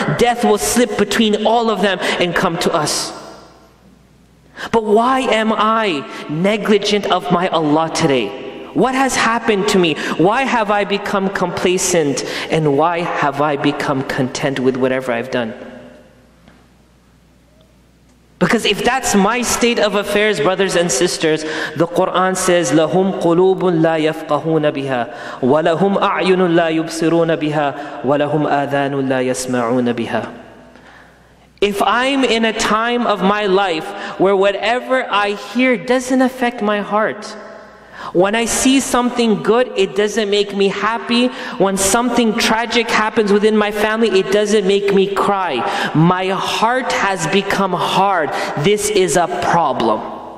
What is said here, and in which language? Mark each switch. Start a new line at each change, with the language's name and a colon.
English: Death will slip between all of them and come to us. But why am I negligent of my Allah today? What has happened to me? Why have I become complacent? And why have I become content with whatever I've done? Because if that's my state of affairs, brothers and sisters, the Quran says,
Arabic: لَهُمْ قُلُوبٌ لَا يَفْقَهُونَ بِهَا وَلَهُمْ أَعْيُنٌ لَا يُبْصِرُونَ بِهَا وَلَهُمْ آذَانٌ لَا يَسْمَعُونَ بِهَا.
English: If I'm in a time of my life where whatever I hear doesn't affect my heart, when I see something good, it doesn't make me happy. When something tragic happens within my family, it doesn't make me cry. My heart has become hard. This is a problem.